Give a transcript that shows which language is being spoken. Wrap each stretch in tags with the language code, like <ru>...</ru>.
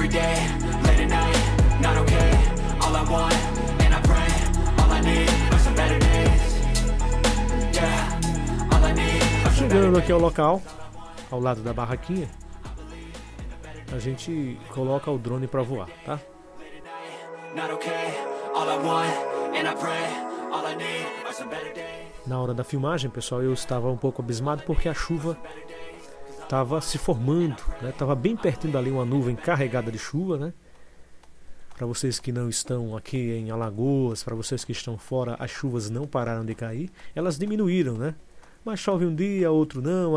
<en>Not okay, all I want, and I pray, all I need are some better days. Yeah, all I need are some better days.</en> <pt>Aqui ao local, ao lado da barraquinha, a gente coloca o drone pra voar, tá?</pt> <en>Not okay, all I want, and I pray, all I need are some better days.</en> <pt>Na hora da filmagem, pessoal, eu estava um pouco abismado porque a chuva estava se formando, né? Tava bem pertinho dali uma nuvem carregada de chuva, né? Para vocês que não estão aqui em Alagoas, para vocês que estão fora, as chuvas não pararam de cair. Elas diminuíram, né? Mas chove um dia, outro não.</pt>